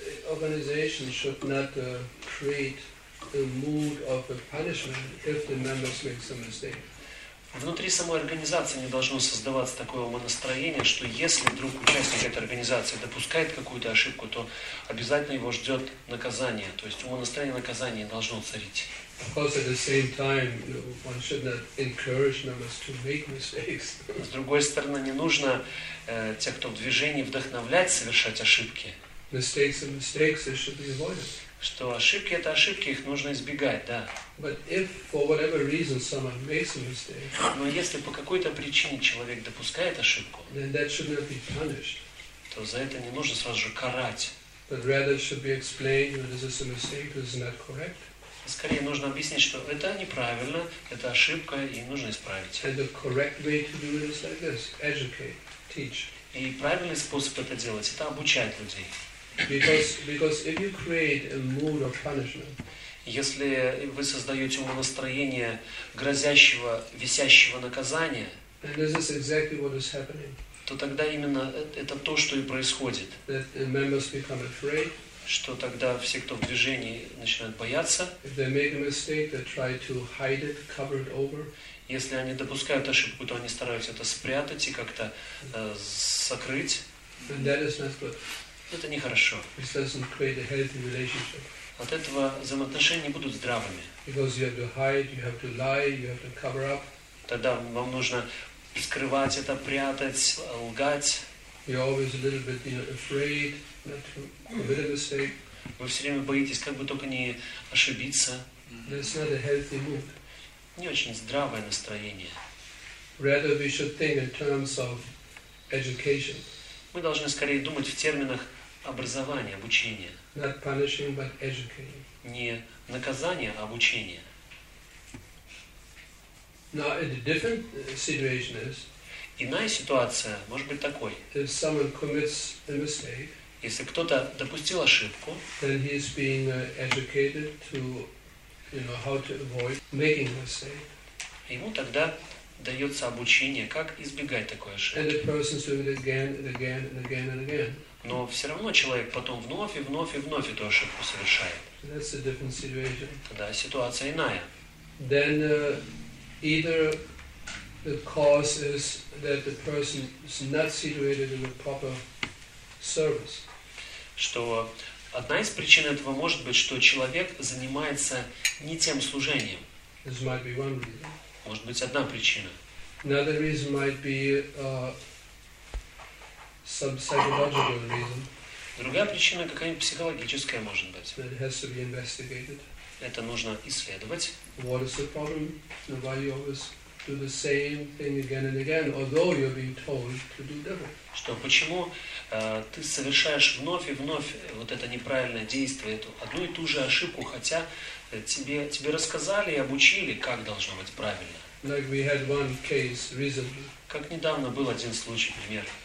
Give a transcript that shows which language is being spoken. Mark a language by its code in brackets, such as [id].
[en] Organizations should not create a mood of a punishment if the members make some mistake. [ru] Внутри самой организации не должно создаваться такое настроение, что если вдруг участник этой организации допускает какую-то ошибку, то обязательно его ждет наказание. То есть умонастроение наказания должно царить. [en] Of course, at the same time, one should not encourage members to make mistakes. [ru] С другой стороны, не нужно тех, кто в движении, вдохновлять совершать ошибки. [en] Mistakes are mistakes, they should be avoided. [ru] Что ошибки это ошибки, их нужно избегать, да. [en] But if for whatever reason someone makes a mistake, [ru] но если по какой-то причине человек допускает ошибку, [en] then that should not be punished. [ru] То за это не нужно сразу же карать. [en] But rather it should be explained, you know, this is a mistake, this is not correct. [ru] Скорее нужно объяснить, что это неправильно, это ошибка, и нужно исправить. [en] And the correct way to do it is like this: educate, teach. [ru] И правильный способ это делать — это обучать людей. [en] Because if you create a mood of punishment, [ru] если вы создаете настроение грозящего, висящего наказания, [en] then this is exactly what is happening. [ru] То тогда именно это то, что и происходит. [en] That members become afraid. [ru] Что тогда все, кто в движении, начинают бояться. [en] If they make a mistake, they try to hide it, cover it over. [ru] Если они допускают ошибку, то они стараются это спрятать и как-то сокрыть. [en] And that is not good. [ru] Это нехорошо. [en] It doesn't create a healthy relationship. [ru] От этого взаимоотношения не будут здравыми. [en] Because you have to hide, you have to lie, you have to cover up. [ru] Тогда вам нужно скрывать это, прятать, лгать. [en] You're always a little bit, you know, afraid not to commit a mistake. [ru] Вы все время боитесь, как бы только не ошибиться. [en] That's not a healthy mood. [ru] Не очень здравое настроение. [en] Rather we should think in terms of education. [ru] Мы должны скорее думать в терминах образования, обучения. [en] Not punishing, but educating. [ru] Не наказание, а обучение. [en] Now, a different situation is, [ru] иная ситуация может быть такой. [en] If someone commits a mistake, [ru] если кто-то допустил ошибку, [en] then he is being educated to, you know, how to avoid making a mistake. [ru] Ему тогда дается обучение, как избегать такой ошибки. [en] And the person's doing it again and again and again and again. [ru] Но все равно человек потом вновь и вновь и вновь эту ошибку совершает. [en] That's a different situation. [ru] Да, ситуация иная. [en] Then either the cause is that the person is not situated in the proper service. [ru] Что одна из причин этого может быть, что человек занимается не тем служением. [en] This might be one reason. [ru] Может быть, одна причина. [en] Another reason might be some psychological reason. [ru] Другая причина какая-нибудь психологическая может быть. [en] That has to be investigated. [ru] Это нужно исследовать. [en] What is the problem? Why you always do the same thing again and again, although you're being told to do different? [ru] Что, почему ты совершаешь вновь и вновь вот это неправильное действие, эту одну и ту же ошибку, хотя тебе рассказали и обучили, как должно быть правильно? [en] Like we had one case recently. [ru] Как недавно был один случай, пример.